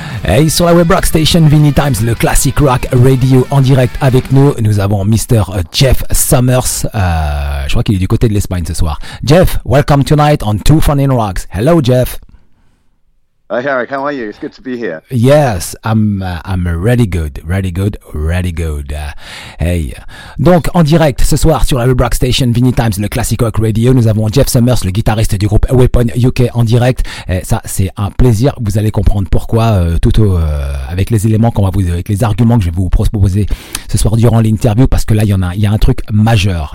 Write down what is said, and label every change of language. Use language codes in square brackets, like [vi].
[fr] Et sur la Web Rock Station Vinyl Times, le Classic Rock Radio en direct avec nous, nous avons Mr. Jeff Summers. Je crois qu'il est du côté de l'Espagne ce soir. [en] Jeff, welcome tonight on Two Funny Rocks. Hello, Jeff. Eric, how are you? It's good to be here. Yes, I'm really good, really good, really good. [fr] Hey, donc en direct ce soir sur la Red Rock Station, Vinnie Times, le Classic Rock Radio, nous avons Jeff Summers, le guitariste du groupe Weapon UK en direct. Et ça, c'est un plaisir. Vous allez comprendre pourquoi avec les éléments qu'on va vous, avec les arguments que je vais vous proposer ce soir durant l'interview, parce que là, il y a un truc majeur.